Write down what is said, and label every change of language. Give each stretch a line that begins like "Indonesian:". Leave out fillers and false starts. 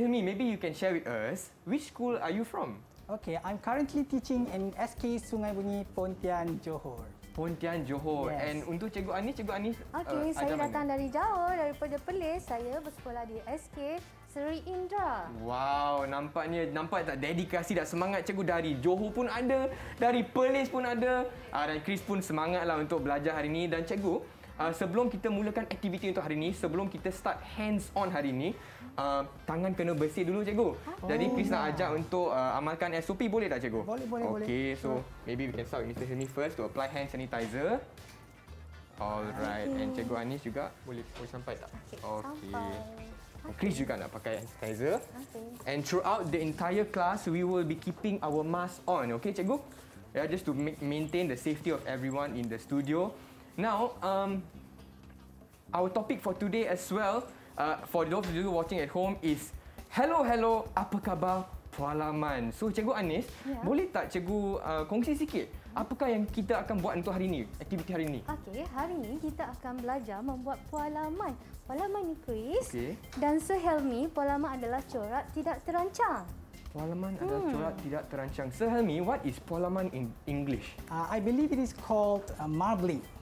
English: Hilmi, maybe you can share with us, which school are you from? Okay, I'm currently teaching in SK Sungai Bunyi, Pontian, Johor. Pontian, Johor. Yes.
Malay: And untuk Cikgu Anis, Cikgu Anis. Okay, saya datang dari Johor, daripada Perlis. Saya bersekolah di SK Seri Indra. Wow, nampak tak dedikasi dan semangat Cikgu dari Johor pun ada, dari Perlis pun ada. Dan Chris pun semangatlah untuk belajar hari ini. Dan Cikgu, sebelum kita mulakan aktiviti untuk hari ini, sebelum kita start hands-on hari ini, tangan kena bersih dulu, cikgu. Huh? Jadi, Chris nak ajak untuk amalkan SOP, boleh tak, cikgu? Boleh.
English: Okay, so maybe we can start with Mr. Hilmi first to apply hand sanitizer.
Malay: Alright, okay. And Cikgu Anis juga boleh sampai tak? Okay. Chris juga nak pakai hand sanitizer. Okay.
English: And throughout the entire class, we will be keeping our mask on, okay, cikgu? Yeah, just to maintain the safety of everyone in the studio. Now, our topic for today as well, for those of you watching at home is Hello,
Malay: apa khabar
English: Pualaman?
Malay: So, Cikgu Anis, boleh tak Cikgu kongsi sikit apakah yang kita akan buat untuk hari ini, aktiviti hari ini? Okey, hari ini kita akan belajar membuat Pualaman. Pualaman ni, Chris. Okay. Dan Sir Helmi, Pualaman adalah corak tidak terancang. Pualaman adalah corak tidak terancang.
English: Sir Helmi, what is Pualaman in English? I believe it is called marbling.